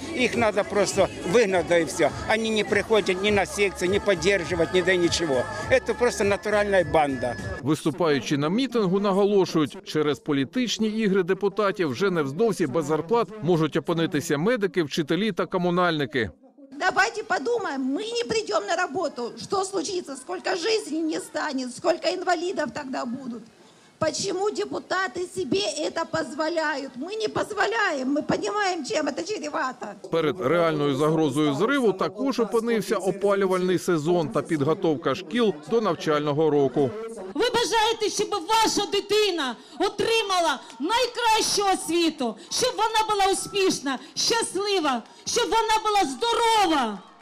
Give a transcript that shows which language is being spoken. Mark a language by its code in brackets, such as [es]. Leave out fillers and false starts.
[uk] Їх треба просто вигнати і все. Вони не приходять ні на секцію, ні підтримувати, ніде нічого. Це просто натуральна банда. Виступаючи на мітингу, наголошують, через політичні ігри депутатів вже невдовзі без зарплат можуть опинитися медики, вчителі та комунальники. [ru] Давайте подумаем, мы не придем на работу, что случится, сколько жизней не станет, сколько инвалидов тогда будут. Почему депутаты себе это позволяют? Мы не позволяем, мы понимаем, чем это чревато. [uk] Перед реальною загрозою зриву також опинився опалювальний сезон та підготовка шкіл до навчального року. Ви бажаєте, щоб ваша дитина отримала найкращу освіту, щоб вона була успішна, щаслива, щоб вона була здорова.